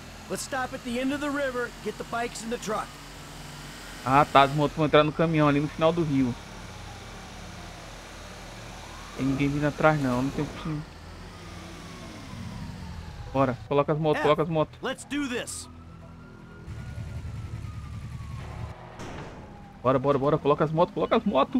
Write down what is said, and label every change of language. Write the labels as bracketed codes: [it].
[en] Let's stop at the end of the river, get the bikes in the truck. [pt] Ah, tá, os motos vão entrar no caminhão ali no final do rio. Tem ninguém vindo atrás não, não tem o que. Bora, coloca as motos, coloca as motos. [en] Let's do this. [pt] Bora, bora, bora, coloca as motos, coloca as motos.